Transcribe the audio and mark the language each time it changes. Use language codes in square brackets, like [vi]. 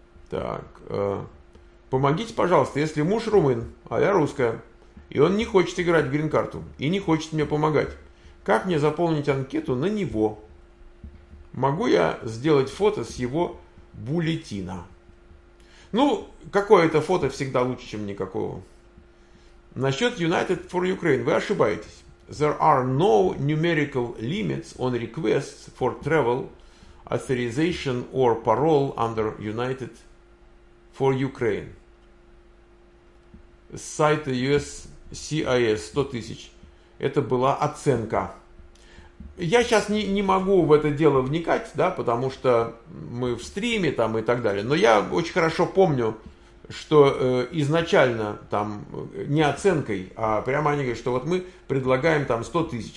[ru] Так. Помогите, пожалуйста, если муж румын, а я русская, и он не хочет играть в грин-карту, и не хочет мне помогать. Как мне заполнить анкету на него? Могу я сделать фото с его бюллетеня? Ну, какое-то фото всегда лучше, чем никакого. Насчет United for Ukraine. Вы ошибаетесь. [en] There are no numerical limits on requests for travel, authorization or parole under United for Ukraine. [ru] С сайта USCIS 100 тысяч. Это была оценка. Я сейчас не могу в это дело вникать, да, потому что мы в стриме там и так далее. Но я очень хорошо помню, что изначально там не оценкой, а прямо они говорят, что вот мы предлагаем там 100 тысяч.